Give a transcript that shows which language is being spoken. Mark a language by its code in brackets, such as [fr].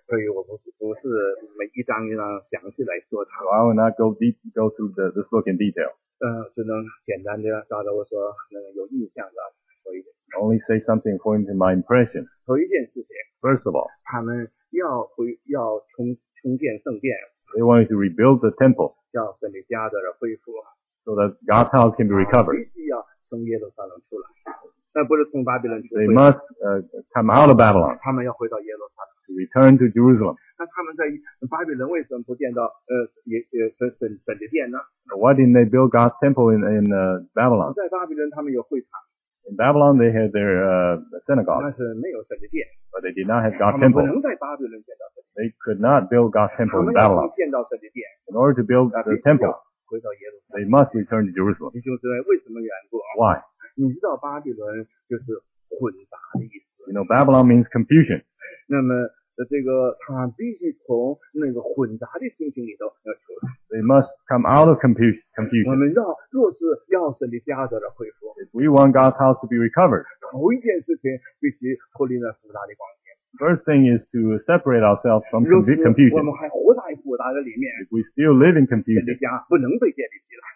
[zh] 所以我不是每一章一章详细来说它 [en] So I will not go through this book in detail [zh] 只能简单的照着我说那个有印象的说一点 [en] Only say something according to my impression. [zh] 头一件事情 [en] First of all, [zh] 他们要重建圣殿 [en] They wanted to rebuild the temple. [zh] 叫神的家的恢复 [en] So that God's house can be recovered. [zh] 必须要从耶路撒冷出来那不是从巴比伦出来 [en] They must come out of Babylon. [zh] 他们要回到耶路撒冷 [en] To return to Jerusalem. [zh] 那他们在巴比伦为什么不建造神的殿呢 [en] Why didn't they build God's temple in Babylon? [zh] 在巴比伦他们有会堂 [en] In Babylon, they had their synagogue. [zh] 但是没有神的殿。 [en] But they did not have God's temple. [zh] 他们不能在巴比伦建造神的殿。 [en] They could not build God's temple in Babylon. [zh] 他们要建造神的殿。 [en] In order to build the temple, [zh] 回到耶路撒冷。 [en] They must return to Jerusalem. [zh] 弟兄姊妹，为什么缘故？ [en] Why? [zh] 你知道巴比伦就是混杂的意思。 [en] You know, Babylon means confusion. [zh] 那么这个他必须从那个混杂的心情里头要出来。 [en] They must come out of confusion. [zh] 我们要若是要神的家得到恢复。 [en] If we want God's house to be recovered, [zh] 头一件事情必须脱离那复杂的光景。 [en] First thing is to separate ourselves from confusion. [zh] 我们还活在复杂的里面。 [en] If we still live in confusion, [zh] 神的家不能被建立起来。